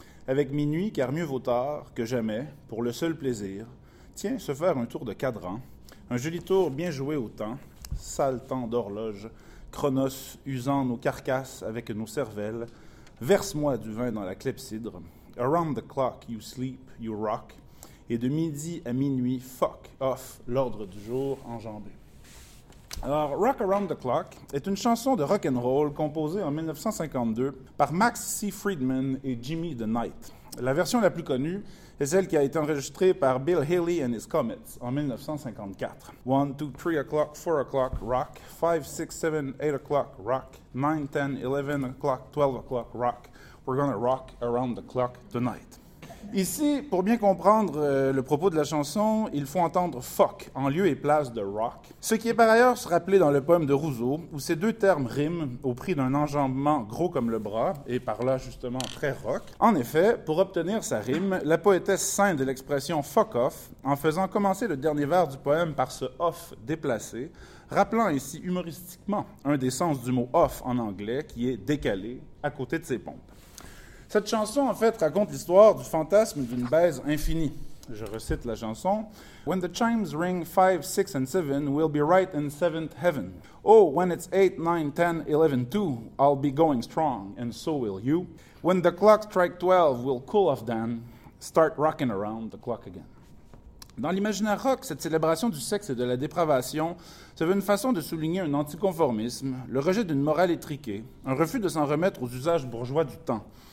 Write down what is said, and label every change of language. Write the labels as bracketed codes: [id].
[fr] Avec minuit, car mieux vaut tard que jamais, pour le seul plaisir, tiens, se faire un tour de cadran, un joli tour bien joué au temps, sale temps d'horloge, chronos usant nos carcasses avec nos cervelles, verse-moi du vin dans la clepsydre. [en] Around the clock, you sleep, you rock. [fr] Et de midi à minuit, [en] fuck off, [fr] l'ordre du jour enjambé. Alors, Rock Around the Clock est une chanson de rock'n'roll composée en 1952 par Max C. Friedman et Jimmy the Knight. La version la plus connue est celle qui a été enregistrée par Bill Haley and his Comets en 1954. [en] 1, 2, 3 o'clock, 4 o'clock, rock. 5, 6, 7, 8 o'clock, rock. 9, 10, 11 o'clock, 12 o'clock, rock. We're gonna rock around the clock tonight. [fr] Ici, pour bien comprendre le propos de la chanson, il faut entendre fuck en lieu et place de rock, ce qui est par ailleurs se rappeler dans le poème de Rousseau, où ces deux termes riment au prix d'un enjambement gros comme le bras, et par là justement très rock. En effet, pour obtenir sa rime, la poétesse scinde l'expression fuck off en faisant commencer le dernier vers du poème par ce off déplacé, rappelant ainsi humoristiquement un des sens du mot off en anglais qui est décalé à côté de ses pompes. Cette chanson, en fait, raconte l'histoire du fantasme d'une baise infinie. Je recite la chanson. [en] « When the chimes ring 5, 6 and 7, we'll be right in seventh heaven. Oh, when it's 8, 9, 10, 11, 2, I'll be going strong, and so will you. When the clock strike 12, we'll cool off then, start rocking around the clock again. [fr] » Dans l'imaginaire rock, cette célébration du sexe et de la dépravation se veut une façon de souligner un anticonformisme, le rejet d'une morale étriquée, un refus de s'en remettre aux usages bourgeois du temps.